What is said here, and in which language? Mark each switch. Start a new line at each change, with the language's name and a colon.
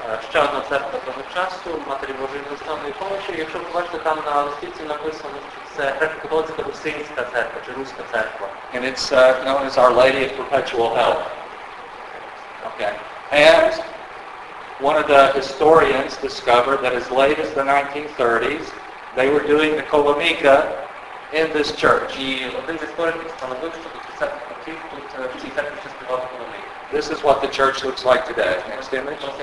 Ukrainian: Ще одна церква того часу, Матері Божої Неустанної Помощі. Якщо ви бачите, там на листівці написано, що це греко-католицька русинська церква чи руська церква.
English: And it's known as Our Lady of Perpetual Help. Okay. And one of the historians discovered that as late as the 1930s, they were doing the Koloniqa in this church.
Ukrainian: І один з істориків встановив, що до 30-х років тут в цій церкві ще співали Коломіка.
English: This is what the church looks like today. Next image.